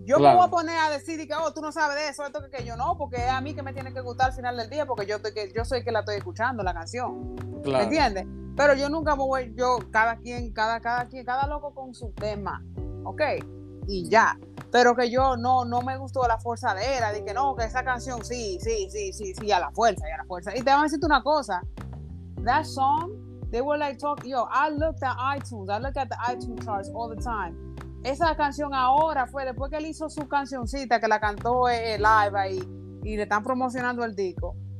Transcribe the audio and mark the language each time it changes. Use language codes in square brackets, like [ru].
[es] Yo claro. Me voy a poner a decir que tú no sabes de eso, esto que yo no, porque es a mí que me tiene que gustar al final del día porque yo soy que la estoy escuchando, la canción. Claro. ¿Me entiendes? Pero yo nunca voy, yo, cada quien, cada loco con su tema, ¿ok? Y ya. Pero que yo no me gustó la forzadera, de que no, que esa canción sí, a la fuerza, y a la fuerza. Y te voy a decirte una cosa. [en] That song, they were like talking, yo, I looked at the iTunes charts all the time. [es] Esa canción ahora fue después que él hizo su cancioncita, que la cantó live ahí, y le están promocionando el disco.